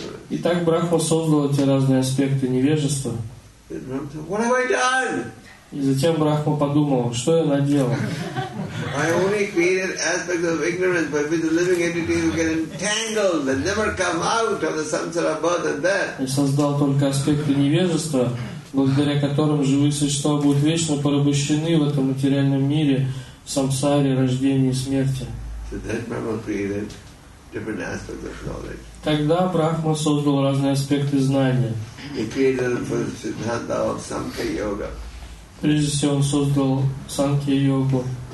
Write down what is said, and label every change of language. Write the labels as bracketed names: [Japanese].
[Russian] Итак, Брахма создал эти разные аспекты невежества. И затем Брахма подумал, что я наделал. [English] I only created aspects of ignorance by which the living entities will get entangled and never come out of the samsara birth and death. [Russian] Я создал только аспекты невежества, благодаря которым живые существа будут вечно порабощены в этом материальном мире, в самсаре, рождении и смерти. [English] So then Brahma created different aspects of knowledge. [Russian] Тогда Брахма создал разные аспекты знания. [English] He created them for the siddhanta of samkhya yoga. [Russian] Прежде всего он создал Санкхья-йогу.